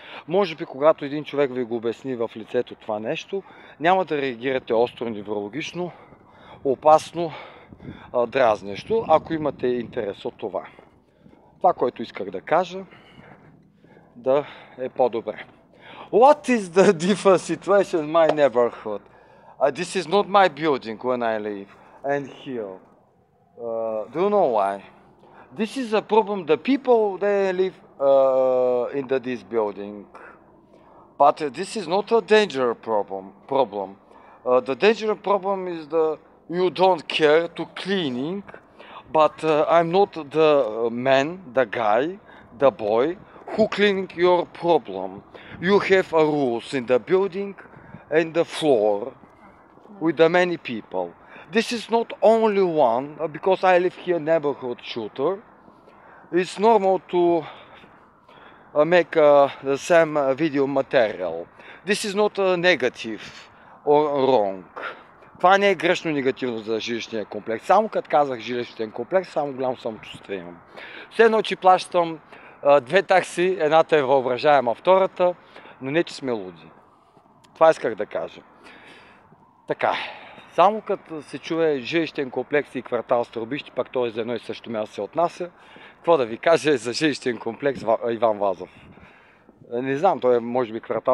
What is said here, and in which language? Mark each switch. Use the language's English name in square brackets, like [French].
[Bulgarian] Може би, когато един човек ви го обясни в лицето това нещо, няма да реагирате остро, неврологично, опасно, дразнещо, ако имате интерес от това. Това, което исках да кажа, да е по-добре. [English] What is the different situation in my neighborhood? This is not my building when I live. And here, do you know why? This is a problem. The people they live in this building, but this is not a danger problem. The danger problem is the you don't care to cleaning. But I'm not the man, the guy, the boy who cleaning your problem. You have a rules in the building, and the floor. With the many people. This is not only one, because I live here, neighborhood shooter. It's normal to make the same video material. This is not a negative wrong. [Bulgarian] Това не е грешно негативно за жилищния комплекс. Само като казах жилищен комплекс, само голямо самочувствие имам. Все едно, че плащам две такси, едната е въображаема, втората, но не, че сме луди. Това исках да кажа. Така, само като се чуе жилищен комплекс и квартал Стробище, пак той за едно и също място се отнася, какво да ви кажа за жилищен комплекс Иван Вазов? Не знам, той е може би квартал.